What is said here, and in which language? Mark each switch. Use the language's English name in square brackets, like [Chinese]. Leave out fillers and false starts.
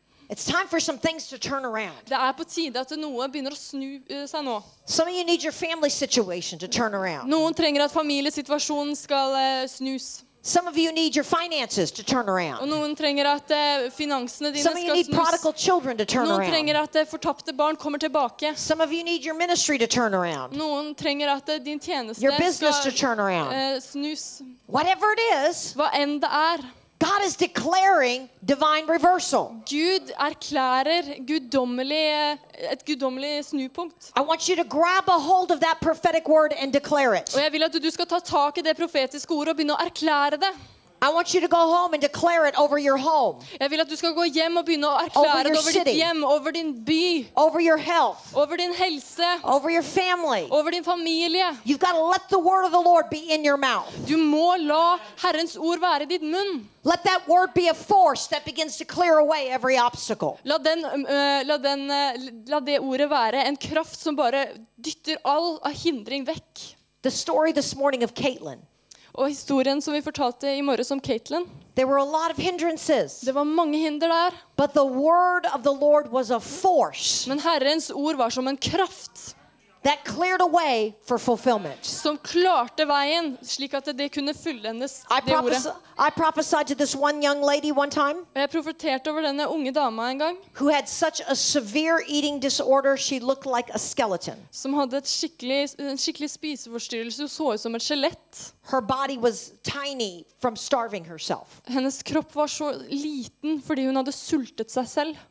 [English] It's time for some things to turn around. [Norwegian] Det er på tide at noe begynner å snu seg nå. [English] Some of you need your family situation to turn around. [Norwegian] Noen trenger at familiesituasjonen skal snus. [English] Some of you need your finances to turn around. [Norwegian] Noen trenger at finansene dine skal snus. [English] Some of you need prodigal children to turn around. [Norwegian] Noen trenger at fortapte barn kommer tilbake. [English] Some of you need your ministry to turn around. [Norwegian] Noen trenger at din tjeneste skal [English] Your business to turn around. [Norwegian] Snus. [English] Whatever it is. [Norwegian] Hva enn det er. [English] God is declaring divine reversal. [Norwegian] Gud erklærer et guddommelig snupunkt. [English] I want you to grab a hold of that prophetic word and declare it. [Norwegian] Og jeg vil at du skal ta tak I det profetiske ordet og begynne å erklære det. [English] I want you to go home and declare it over your home. [Norwegian] Jeg vil at du skal gå hjem og begynne å erklære det over ditt hjem, over din by. [English] Over your health. [Norwegian] Over din helse. [English] Over your family. [Norwegian] Over din familie. [English] You've got to let the word of the Lord be in your mouth. [Norwegian] Du må la Herrens ord være I ditt munn. [English] Let that word be a force that begins to clear away every obstacle. [Norwegian] La det ordet være en kraft som bare dytter all av hindring vekk. [English] The story this morning of Caitlin. [Norwegian] Og historien som vi fortalte I morges om Caitlin. [English] There were a lot of hindrances. [Norwegian] Det var mange hinder der. [English] But the word of the Lord was a force. [Norwegian] Men Herrens ord var som en kraft. [English] That cleared a way for fulfillment. [Norwegian] Som klarte veien slik at det kunne fylle hennes det ordet. [English] I prophesied to this one young lady one time. [Norwegian] Jeg profeterte over denne unge dama en gang. [English] Who had such a severe eating disorder, she looked like a skeleton. [Norwegian] Som hadde en skikkelig spiseforstyrrelse, så ut som et skjelett. [English] Her body was tiny from starving herself. [Norwegian] Hennes kropp var så liten fordi hun hadde sultet seg selv.